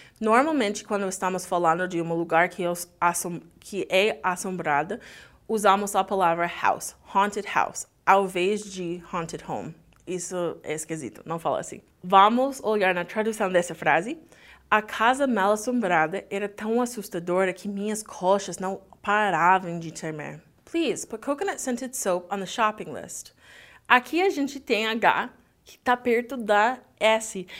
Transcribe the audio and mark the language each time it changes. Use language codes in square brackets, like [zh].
[pt] Normalmente, quando estamos falando de um lugar que é assombrado, usamos a palavra house, [en] haunted house, [pt] ao invés de [en] haunted home. [pt] Isso é esquisito, não fala assim. Vamos olhar na tradução dessa frase. A casa mal-assombrada era tão assustadora que minhas coxas não paravam de tremer. [en] Please, put coconut scented soap on the shopping list. [pt] Aqui a gente tem H que está perto da S.